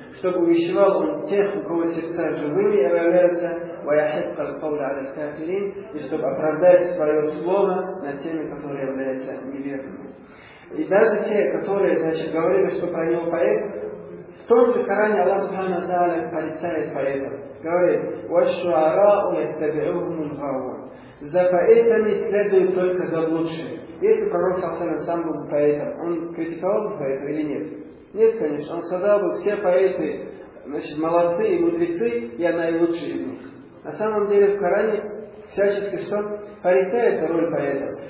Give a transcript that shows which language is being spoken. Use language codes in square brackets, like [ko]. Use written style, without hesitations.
[ru] Чтобы увещевал он тех, у кого сердца живыми являются, [ar] وَيَحِبْقَ الْقَوْلَ عَلَى الْكَافِرِينَ, [ru] и чтобы оправдать свое слово над теми, которые являются неверными. И даже те, которые, значит, говорили, что про него поэт, в том же Коране Аллах Субхана Тааля порицает поэта. Говорит: [ar] وَالشُّعَرَاءُ يَتَّبِعُهُمُ الْغَاوُونَ. [ru] За поэтами следуют только заблудшие. Если пророк Салтана сам был поэтом, он критиковал бы поэта или нет? Нет, конечно. Он сказал бы: все поэты, значит, молодцы и мудрецы, я наилучший из них. На самом деле в Коране всячески что? Порицает роль поэтов.